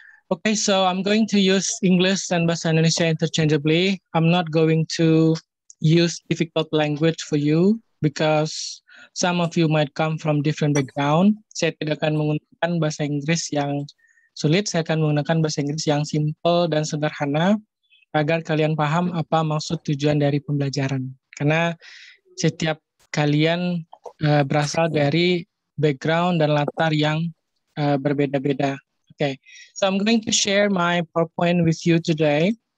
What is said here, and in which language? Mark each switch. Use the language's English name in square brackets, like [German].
[English] Okay, so I'm going to use English and bahasa Indonesia interchangeably. I'm not going to use difficult language for you because some of you might come from different background. [Indonesian] Saya tidak akan menggunakan bahasa Inggris yang sulit, saya akan menggunakan bahasa Inggris yang simple dan sederhana agar kalian paham apa maksud tujuan dari pembelajaran. Karena setiap kalian berasal dari background dan latar yang berbeda-beda. Okay. [English] So I'm going to share my PowerPoint with you today.